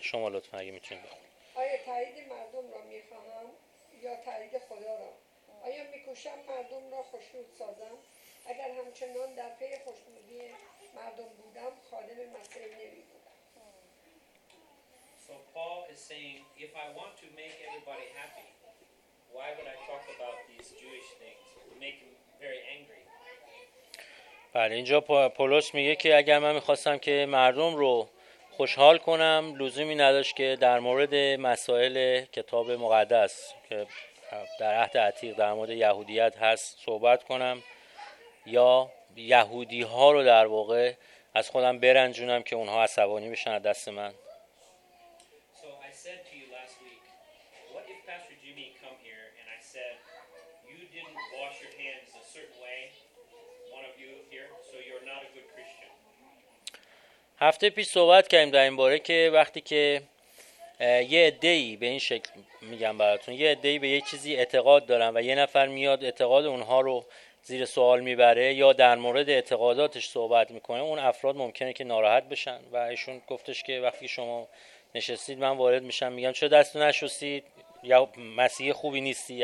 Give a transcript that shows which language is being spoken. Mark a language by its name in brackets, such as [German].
[Persian] شما لطفا اگه میتونید بخونید. آیا تایید مردم را میخواهم یا تایید خدا را؟ آیا میکوشم مردم را خوشنود سازم؟ اگر همچنان در پی خوشنودی مردم بودم، خادم مسیح نمی‌بودم. [English] So Paul is saying, if I want to make everybody happy, why would I talk about these Jewish things? It would make them very angry. [Persian] بله، اینجا پولس میگه که اگر من میخواستم که مردم رو خوشحال کنم، لزومی نداشت که در مورد مسائل کتاب مقدس که در عهد عتیق در مورد یهودیت هست صحبت کنم یا یهودی ها رو در واقع از خودم برنجونم که اونها عصبانی بشن از دست من. [English] So I said to you last week, what if Pastor Jimmy come here and I said you didn't wash your hands a certain way, one of you here, so you're not a good Christian. [Persian] هفته پیش صحبت کردیم در این باره که وقتی که یه عده‌ای به این شکل میگم براتون، یه عده‌ای به یه چیزی اعتقاد دارن و یه نفر میاد اعتقاد اونها رو زیر سوال میبره یا در مورد اعتقاداتش صحبت میکنه، اون افراد ممکنه که ناراحت بشن و ایشون گفتش که وقتی شما نشستید من وارد میشم میگم چرا دست نشستید یا مسیح خوبی نیستی.